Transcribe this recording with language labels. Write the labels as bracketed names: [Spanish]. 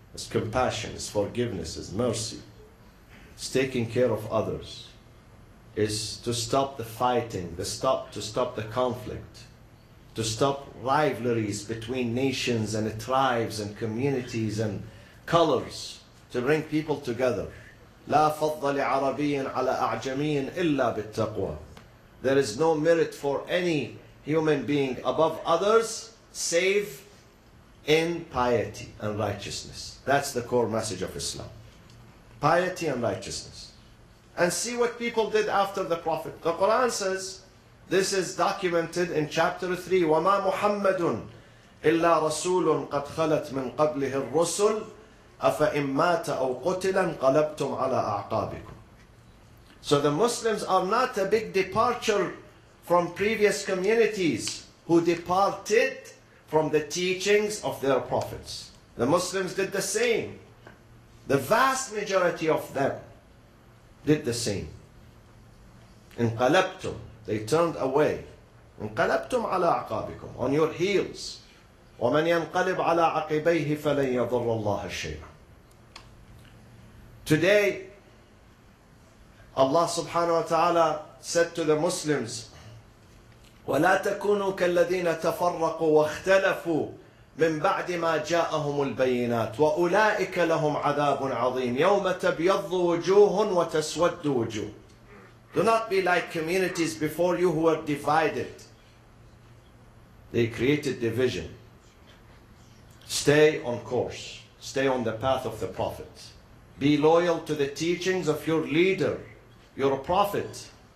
[English] It's compassion, it's forgiveness, it's mercy. It's taking care of others. It's to stop the fighting, to stop the conflict, to stop rivalries between nations and tribes and communities and colors, to bring people together. [Arabic] لا فضل عربي على أعجمي إلا بالتقوى. [English] There is no merit for any human being above others save in piety and righteousness. That's the core message of Islam. Piety and righteousness. And see what people did after the Prophet. The Quran says, this is documented in chapter 3, [Arabic] وَمَا مُحَمَّدٌ إِلَّا رَسُولٌ قَدْ خَلَتْ مِنْ قَبْلِهِ الرُّسُلُ أَفَإِنْ مَاتَ أَوْ قُتِلًا قَلَبْتُمْ عَلَىٰ أَعْقَابِكُمْ. [English] So the Muslims are not a big departure from previous communities who departed from the teachings of their prophets. The Muslims did the same. The vast majority of them did the same. انقلبتم, they turned away. [Arabic] انقلبتم على عقابكم, [English] on your heels. [Arabic] ومن ينقلب على عقبيه فلن يضر الله شيئا. [English] Today, Allah subhanahu wa ta'ala said to the Muslims, [Arabic] وَلَا تَكُونُوا كَالَّذِينَ تَفَرَّقُوا وَاخْتَلَفُوا مِنْ بَعْدِ مَا جَاءَهُمُ الْبَيِّنَاتُ وَأُولَٰئِكَ لَهُمْ عَذَابٌ عَظِيمٌ يَوْمَ تَبْيَضُّ وُجُوهٌ وَتَسْوَدُّ وُجُوهٌ. [English] Do not be like communities before you who were divided. They created division. Stay on course. Stay on the path of the Prophet. Be loyal to the teachings of your leader, your Prophet.